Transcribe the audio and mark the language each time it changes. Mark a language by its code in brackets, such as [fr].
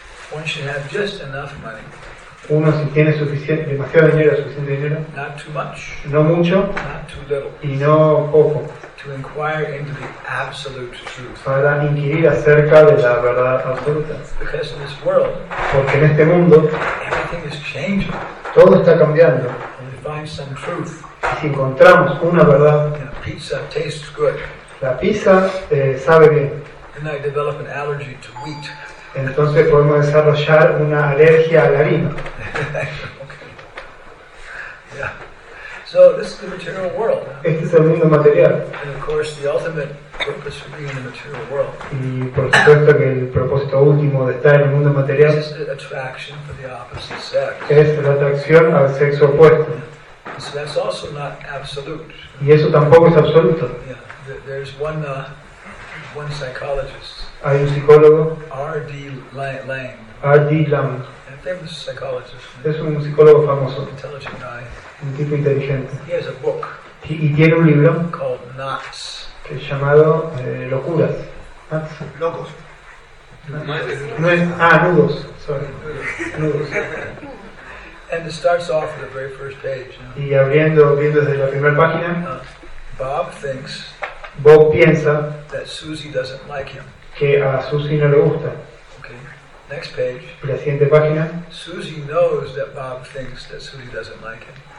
[en] One should have just enough money. [es] Uno, si tiene suficiente, demasiado dinero, suficiente dinero. [en] Not too much. [es] No mucho. [en] Not too little. [es] Y no poco. [en] To inquire into the absolute truth. [es] Para inquirir acerca de la verdad absoluta. [en] Because in this world, [es] porque en este mundo, [en] everything is changing. [es] Todo está cambiando. [en] And we find some truth. [es] Y si encontramos una verdad, [en] and pizza tastes good. [es] La pizza sabe bien. [en] And I develop an allergy to wheat. [es] Entonces podemos desarrollar una alergia a la harina. [en] Okay. Yeah. So this is the material world. [es] Este es el mundo material. [en] And of course, the ultimate purpose of being in the material world. [es] Y por supuesto que el propósito último de estar en el mundo material [en] is the attraction for the opposite sex. [es] Es la atracción al sexo opuesto. [en] Yeah. So that's also not absolute. [es] Y eso tampoco es absoluto. [en] Yeah. There's one psychologist. [es] Hay un psicólogo. [en] R.D. Lang. [es] R.D. Lang. [en] A famous psychologist. [es] Es un psicólogo famoso. [en] Intelligent guy. [es] Un tipo inteligente. [en] He has a book. [es] Y tiene un libro. [en] Called Knots. [es] Que es llamado Locuras. Knots. Locos. Nudos. Sorry. Nudos. [en] And it starts off at the very first page. You know? [es] Y viendo desde la primera página. [en] Bob thinks. [es] Bob piensa. [en] That Susie doesn't like him. [es] Que a Susie no le gusta. [en] Okay. Next page. [es] La siguiente página. [en] Susie knows that Bob thinks that Susie doesn't like him.